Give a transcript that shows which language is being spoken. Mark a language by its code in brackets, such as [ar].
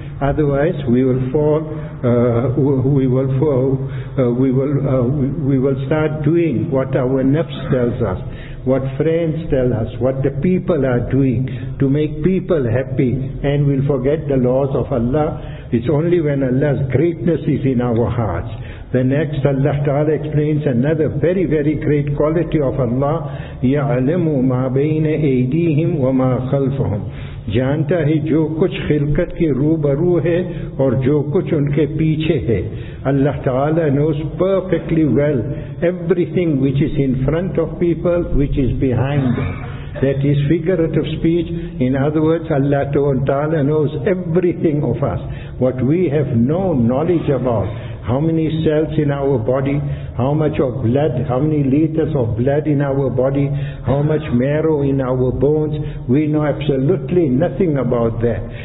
[en] Otherwise, we will start doing what our nafs tells us, what friends tell us, what the people are doing to make people happy, and we'll forget the laws of Allah. It's only when Allah's greatness is in our hearts. The next, Allah Ta'ala explains another very, very great quality of Allah. [ar] يَعْلَمُ مَا بَيْنَ أَيْدِيهِمْ وَمَا خَلْفَهُمْ. [ur] جانتا ہے جو کچھ خلقت کے روبرو ہے اور جو کچھ ان کے پیچھے ہے. [en] Allah Ta'ala knows perfectly well everything which is in front of people, which is behind them. That is figurative speech. In other words, Allah Ta'ala knows everything of us. What we have no knowledge about. How many cells in our body, how much of blood, how many liters of blood in our body, how much marrow in our bones, we know absolutely nothing about that.